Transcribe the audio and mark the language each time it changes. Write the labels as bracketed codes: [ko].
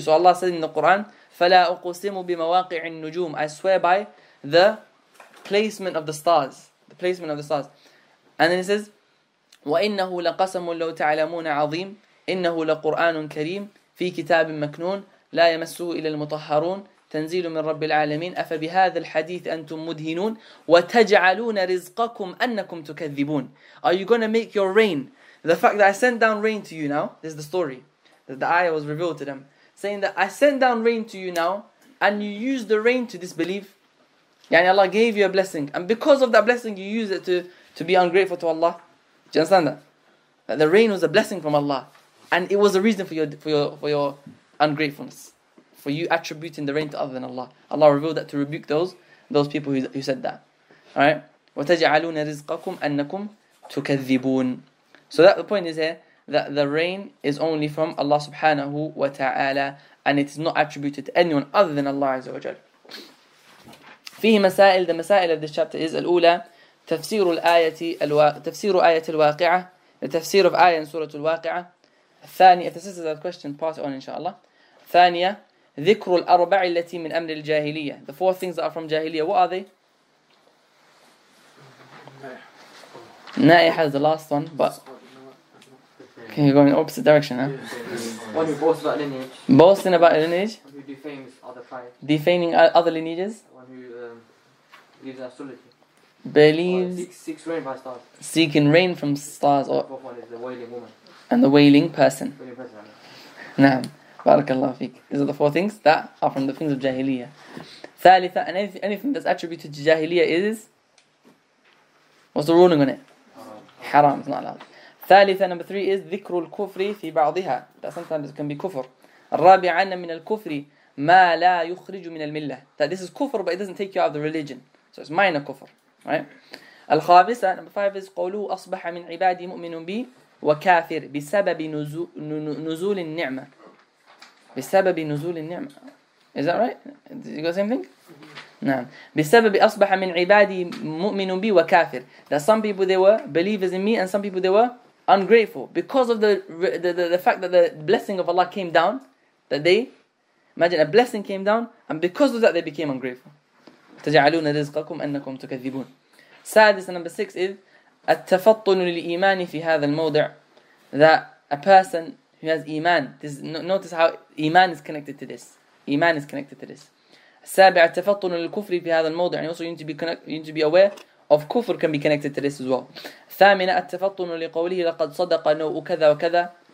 [en] So Allah said in the Quran, [ar] فلا أقسم بمواقع النجوم. [en] I swear by the placement of the stars. The placement of the stars. And then he says, [ar] وإنه لقسم لو تعلمون عظيم. إنه لقرآن كريم في كتاب مكنون لا يمسه إلا المطهرون. تنزيل من رب العالمين أفبهذا الحديث أنتم مدهنون وتجعلون رزقكم أنكم تكذبون. [en] Are you gonna make your rain? The fact that I send down rain to you now, this is the story that the ayah was revealed to them, saying that I send down rain to you now and you use the rain to disbelieve. يعني Allah gave you a blessing, and because of that blessing you use it to be ungrateful to Allah. Do you understand that? That the rain was a blessing from Allah, and it was a reason for your ungratefulness. For you attributing the rain to other than Allah. Allah revealed that to rebuke those people who said that. [ar] Alright? وَتَجْعَلُونَ رِزْقَكُمْ أَنَّكُمْ تُكَذِّبُونَ. [en] So that the point is here, that the rain is only from Allah subhanahu wa ta'ala, and it is not attributed to anyone other than Allah عز وجل. [ar] فيه مسائل, the مسائل [en] of this chapter is [ar] الأولى, تفسير آية الواقعة, the تفسير of آية in سورة الواقعة. [en] الثانية, if this is a question, pass it on inshaAllah. [ar] ثانية, ذكر الأربع التي من أمر الجاهلية. [en] The four things that are from Jahiliyyah, what are they? نائحة is the last one, but okay, you're going opposite direction, huh? When you boast about lineage. Boasting about lineage. When you defame other tribes. Defaming other lineages. When you believes astrology. Believes. Seeks rain by stars. Seeking rain from stars. The fourth one is the wailing woman. And the wailing person. Wailing person. [ar] نعم. Barakallahu feek. [en] These are the four things that are from the things of Jahiliyyah. Thalitha, and anything that's attributed to Jahiliyyah is? What's the ruling on it? Haram, it's not allowed. Thalitha, number three is [ar] ذكر الكفر في بعضها. [en] That sometimes it can be kufr. [ar] الرابعان من الكفر ما لا يخرج من الملة. [en] That this is kufr, but it doesn't take you out of the religion. So it's minor kufr. Right? [ar] الخامسة, [en] number five is [ar] قولوا أصبح من عبادي مؤمن بي وكافر بسبب نزول النعمة. بسبب نزول النعمة. [en] Is that right? Did you go the same thing? نعم. [ar] بسبب أصبح من عبادي مؤمن بي وكافر. [en] That some people they were believers in me and some people they were ungrateful. Because of the fact that the blessing of Allah came down, that they, imagine a blessing came down, and because of that they became ungrateful. [ar] تجعلون رزقكم أنكم تكذبون. [en] Sadis number six is [ar] التفطن للإيمان في هذا الموضع. [en] That a person He has Iman. This, notice how Iman is connected to this. Iman is connected to this. [ar] السابع التفطن للكفر في هذا الموضع. [en] And also you need to be aware of kufr can be connected to this as well. [ar] ثامنة التفطن لقوله لقد صدق نوء كذا وكذا.